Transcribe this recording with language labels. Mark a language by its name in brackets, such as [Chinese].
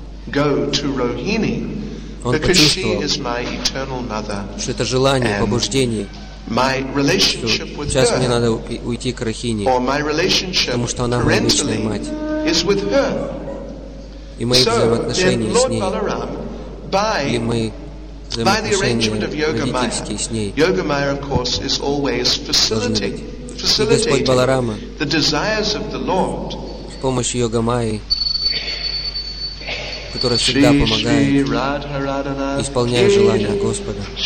[English] Go to Rohini, because she is my eternal mother. [Russian] Что это желание, побуждение. [English] My relationship with her. [Russian] Сейчас мне надо уйти к Рахини. [English] Or my relationship, parentally, is with her. [Russian] И мои взаимоотношения с ней. [English] By the arrangement of Yogamaya, of course, is always facilitating the desires of the Lord. [Russian] С помощью Йогамайи, которая всегда помогает исполнять желания Господа.